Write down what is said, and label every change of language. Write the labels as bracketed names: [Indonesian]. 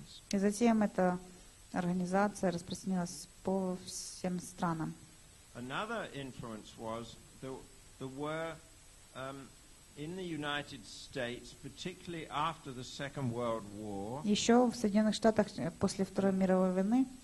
[Russian] И затем эта организация распространилась по всем странам. [English] Another influence was there were in the United States, particularly after the Second World War, [Russian] еще в Соединенных Штатах после Второй мировой войны,